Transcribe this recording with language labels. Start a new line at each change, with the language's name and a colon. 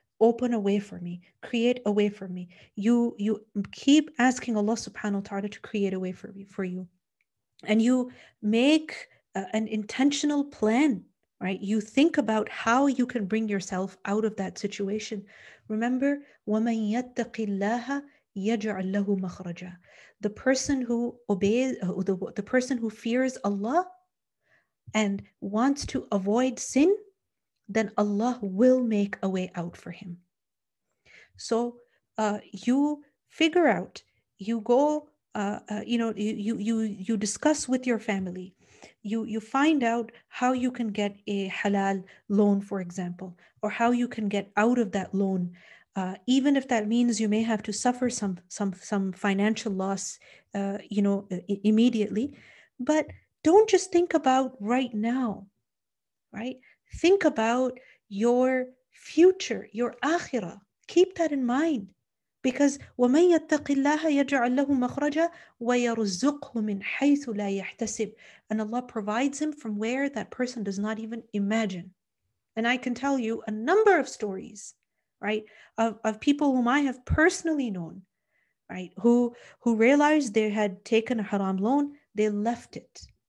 English: Open a way for me, create a way for me. You keep asking Allah subhanahu wa ta'ala to create a way for you. And you make an intentional plan, right? You think about how you can bring yourself out of that situation. Remember,
Arabic: وَمَن يَتَّقِ اللَّهَ يَجْعَلْ لَهُ مَخْرَجًا.
English: The person who obeys, the person who fears Allah and wants to avoid sin, then Allah will make a way out for him. So you figure out, you go, you know, you discuss with your family. You find out how you can get a halal loan, for example, or how you can get out of that loan, even if that means you may have to suffer some financial loss, you know, immediately. But don't just think about right now, right? Think about your future, your akhirah. Keep that in mind. Because
Arabic: وَمَنْ يَتَّقِ اللَّهَ يَجْعَلْ لَهُ مَخْرَجًا وَيَرُزُقْهُ مِنْ حَيْثُ لَا يَحْتَسِبْ.
English: And Allah provides him from where that person does not even imagine. And I can tell you a number of stories, right, of people whom I have personally known, right, who realized they had taken a haram loan, they left it.